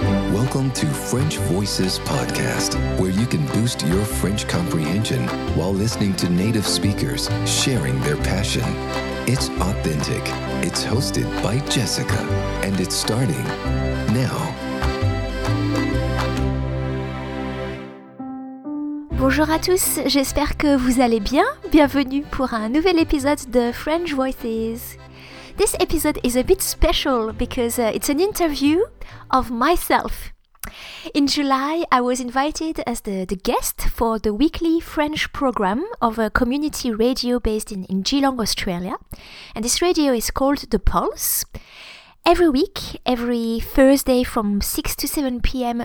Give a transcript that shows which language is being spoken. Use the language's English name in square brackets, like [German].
[English] Welcome to French Voices Podcast, where you can boost your French comprehension while listening to native speakers sharing their passion. It's authentic. It's hosted by Jessica, and it's starting now. [French] Bonjour à tous, j'espère que vous allez bien. Bienvenue pour un nouvel épisode de French Voices. [English] This episode is a bit special because it's an interview of myself. In July, I was invited as the guest for the weekly French program of a community radio based in Geelong, Australia. And this radio is called The Pulse. Every week, every Thursday from 6 to 7 p.m.